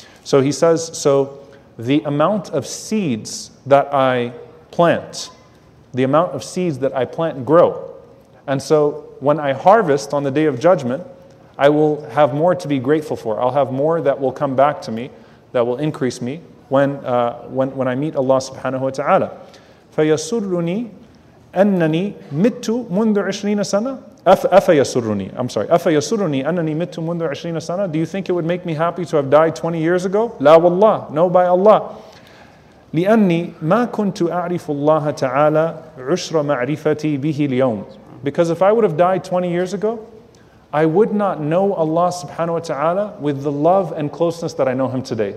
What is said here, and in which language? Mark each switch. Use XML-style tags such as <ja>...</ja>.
<en>So he says, so the amount of seeds that I plant, the amount of seeds that I plant grow. And so when I harvest on the Day of Judgment, I will have more to be grateful for. I'll have more that will come back to me, that will increase me when I meet Allah subhanahu wa ta'ala.</en> <ar>فَيَسُرُّنِي أَنَّنِي مِتُّ مُنْذُ عِشْرِينَ سَنَةً أَفَيَسُرُّنِي</ar> <en>I'm sorry.</en> <ar>أَفَيَسُرُّنِي أَنَّنِي مِتُّ مُنْذُ عِشْرِينَ سَنَةً</ar> <en>Do you think it would make me happy to have died 20 years ago?</en> <ar>لا والله.</ar> <en>No, by Allah.</en> <ar>لِأَنِّي مَا كُنْتُ أَعْرِفُ اللَّهَ تَعَالَى عُشْرَ مَعْرِفَتِي بِهِ الْيَوْمِ</ar> <en>Because if I would have died 20 years ago, I would not know Allah subhanahu wa ta'ala with the love and closeness that I know Him today.</en>